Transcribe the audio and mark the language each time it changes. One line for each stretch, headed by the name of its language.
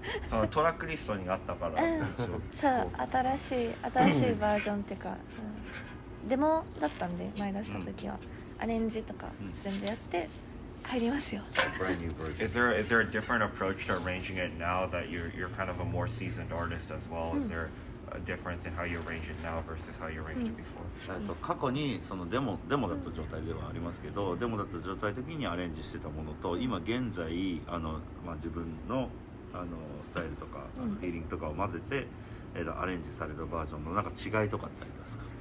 Japanese: そのトラックリストにあったから、そう、新しいバージョンっていうか、デモだったんで、前出した時は、アレンジとか全部やって入りますよ。
English: Is there a different approach to arranging it now that you're kind of a more seasoned artist as well? Is there a difference in how you arrange it now versus how you arranged it before?
Japanese: 過去にそのデモだった状態ではありますけど、デモだった状態的にアレンジしてたものと、今現在あの、まあ、自分 の, あのスタイルとか、フィーリングとかを混ぜて、アレンジされたバージョンのなんか違いとかってありますか？